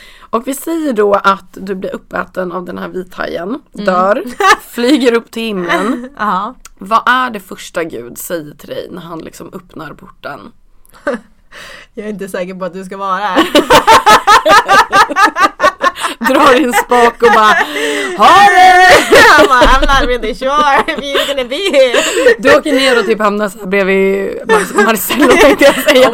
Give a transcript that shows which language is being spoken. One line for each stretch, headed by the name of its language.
Swedish: Och vi säger då att du blir uppäten av den här vithajen, dör, flyger upp till himlen. Ja. Vad är det första Gud säger till dig när han liksom öppnar porten? Jag är inte säker på att du ska vara här. Drar din spak och bara, har du?
English: I'm not really sure if you're gonna be here.
Swedish: Du åker ner och typ hamnar såhär bredvid Marcello tänkte jag säga.